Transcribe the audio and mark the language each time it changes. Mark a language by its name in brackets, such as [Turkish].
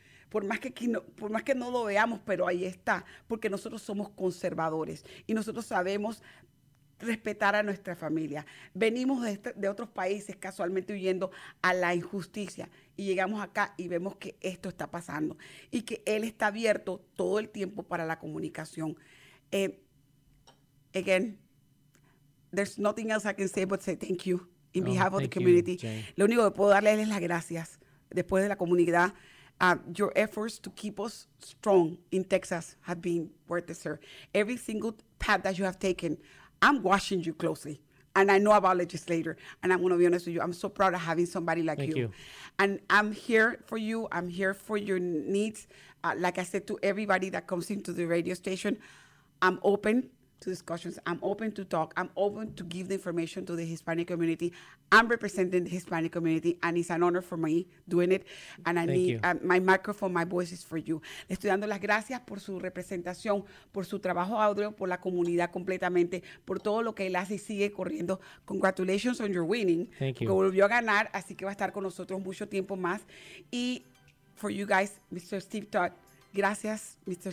[Spanish] Por más que no lo veamos, pero ahí está, porque nosotros somos conservadores y nosotros sabemos respetar a nuestra familia. Venimos de otros países casualmente huyendo a la injusticia y llegamos acá y vemos que esto está pasando y que él está abierto todo el tiempo para la comunicación. [English] Again, there's nothing else I can say but say thank you. In behalf of the community, you, [Spanish] lo único que puedo darles es las gracias después de la comunidad. [English] Your efforts to keep us strong in Texas have been worth it, sir. Every single path that you have taken, I'm watching you closely. And I know about legislator. And I'm going to be honest with you. I'm so proud of having somebody like you. Thank you. And I'm here for you. I'm here for your needs. Like I said to everybody that comes into the radio station, I'm open to discussions. I'm open to talk. I'm open to give the information to the Hispanic community. I'm representing the Hispanic community, and it's an honor for me doing it. And I need my microphone, my voice is for you. [Spanish] Le estoy dando las gracias por su representación, por su trabajo, Audrey, por la comunidad completamente, por todo lo que él hace y sigue corriendo. [English] Congratulations on your winning. Thank you. [Spanish] Que volvió a ganar, así que va a estar con nosotros mucho tiempo más. Y [English] for you guys, Mr. Steve Todd, [Spanish] gracias, [English] Mr.